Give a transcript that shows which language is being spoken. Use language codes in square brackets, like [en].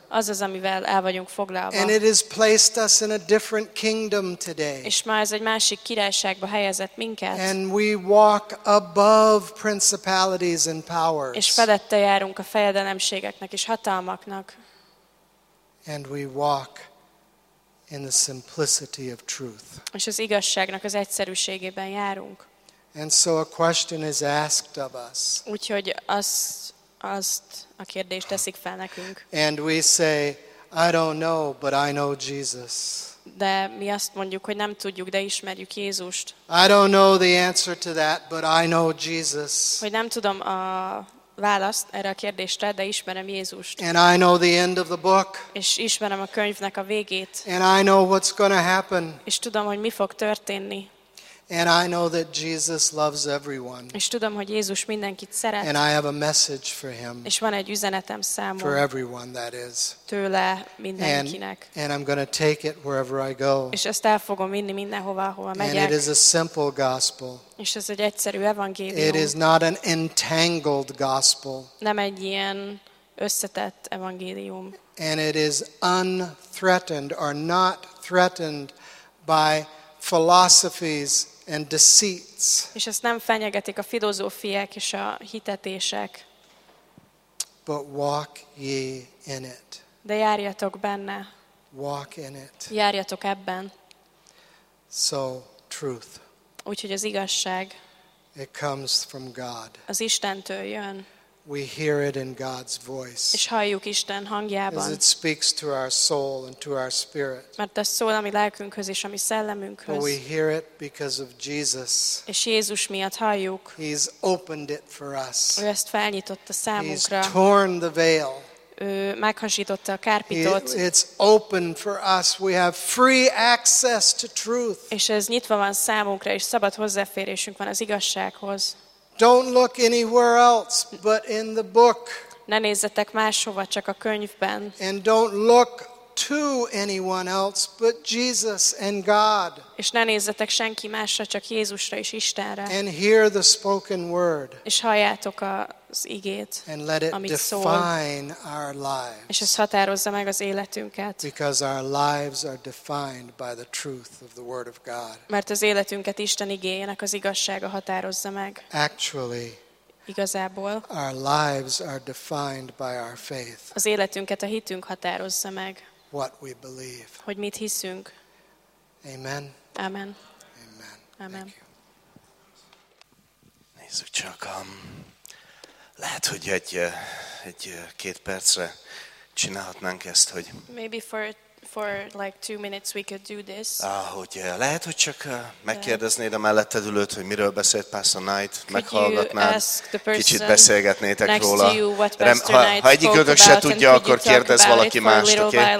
[hu] Az az, amivel el vagyunk foglalva. [en] And it has placed us in a different kingdom today. [hu] És ma ez egy másik királyságba helyezett minket. [en] And we walk above principalities and powers. [hu] És felette járunk a fejedelemségeknek és hatalmaknak. [en] And we walk in the simplicity of truth. [hu] És az igazságnak az egyszerűségében járunk. [en] And so a question is asked of us. [hu] Úgyhogy azt a kérdést teszik fel nekünk. [en] And we say, I don't know, but I know Jesus. [hu] De mi azt mondjuk, hogy nem tudjuk, de ismerjük Jézust. [en] I don't know the answer to that, but I know Jesus. [hu] Hogy nem tudom a választ erre a kérdésre, de ismerem Jézust. [en] And I know the end of the book. [hu] És ismerem a könyvnek a végét. [en] And I know what's going to happen. [hu] És tudom, hogy mi fog történni. [en] And I know that Jesus loves everyone. [hu] És tudom, hogy Jézus mindenkit szeret. [en] And I have a message for him. [hu] És van egy üzenetem számomra. [en] For everyone, that is. [hu] Tőle mindenkinek. [en] And I'm going to take it wherever I go. [hu] És ezt el fogom vinni mindenhova, ahova megyek. [en] And it is a simple gospel. [hu] És ez egy egyszerű evangélium. [en] It is not an entangled gospel. [hu] Nem egy ilyen összetett evangélium. [en] And it is unthreatened or not threatened by philosophies and deceits. [hu] És ezt nem fenyegetik a filozófiák és a hitetések. [en] But walk ye in it. [hu] De járjatok benne. [en] Walk in it. [hu] Járjatok ebben. [en] So truth. [hu] Úgyhogy az igazság. [en] It comes from God. [hu] Az Istentől jön. [en] We hear it in God's voice. [hu] És halljuk Isten hangjában. [en] As it speaks to our soul and to our spirit. [hu] Mert ez szól a mi lelkünkhöz és a mi szellemünkhöz. [en] But we hear it because of Jesus. [hu] És Jézus miatt halljuk. [en] He's opened it for us. [hu] Ő ezt felnyitotta számunkra. [en] He's torn the veil. [hu] Ő meghasította a kárpitot. [en] It's open for us. We have free access to truth. [hu] És ez nyitva van számunkra, és szabad hozzáférésünk van az igazsághoz. [en] Don't look anywhere else but in the book. [hu] Ne nézzetek máshova, csak a könyvben. [en] And don't look to anyone else but Jesus and God. [hu] És ne nézzetek senki másra, csak Jézusra és Istenre. [en] And hear the spoken word. [hu] És halljátok az igét, [en] and let it [hu] amit szól. [en] Define our lives. [hu] És ez határozza meg az életünket. [en] Because our lives are defined by the truth of the word of God. [hu] Mert az életünket Isten igéjének az igazsága határozza meg. [en] Actually, [hu] igazából [en] our lives are defined by our faith. [hu] Az életünket a hitünk határozza meg. [en] What we believe. [hu] Hogy mit hiszünk. Amen. Amen. Amen. Amen. Nézzük csak, lehet, hogy egy két percre csinálhatnánk ezt, hogy [en] maybe for like 2 minutes we could do this. [hu] Ahogy lehet, hogy csak megkérdeznéd a melletted ülőt, hogy miről beszélt Pastor Knight, meghallgatnád, kicsit beszélgetnétek róla. Ha egyikötök se tudja, akkor kérdez valaki mást, oké?